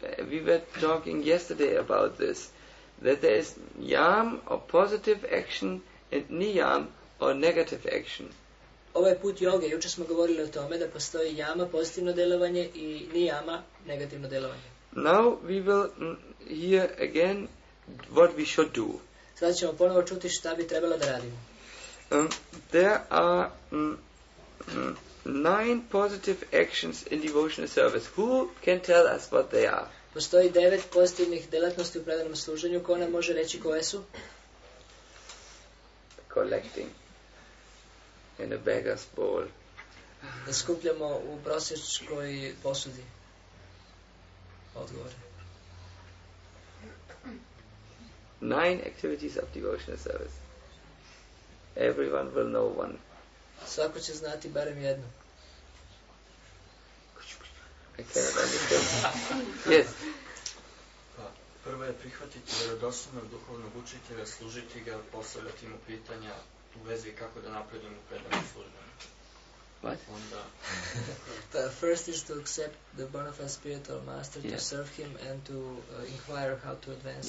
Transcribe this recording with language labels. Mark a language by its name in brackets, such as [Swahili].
[English] We were talking yesterday about this, that there is yam or positive action and niyam or negative action. [Croatian] Ovo je put joge. Juče smo govorili o tome da postoji yama, pozitivno delovanje, i niyama, negativno delovanje. [English] Now we will hear again what we should do. [Croatian] Sada ćemo ponovo čuti šta bi trebalo da radimo. [English] There are 9 positive actions in devotional service. Who can tell us what they are? [Croatian] Postoji 9 pozitivnih delatnosti u predanom služenju. Ko nam može reći koje su? [English] Collecting in a beggar's bowl. [Croatian] Da skupljamo u prosječkoj posudi. Odgovor. [English] 9 activities of devotional service. Everyone will know one. [Croatian] Svako će znati barem jednu. [English] I cannot understand. Yes. [Croatian] Prvo je prihvatiti vjerodostojnog duhovnog učitelja, služiti ga, postavljati mu pitanja u vezi kako da napredujemo u predanom služenju. [English] What? [Croatian] Onda. [English] But first is to accept the bona fide spiritual master, yeah, to serve him and to inquire how to advance.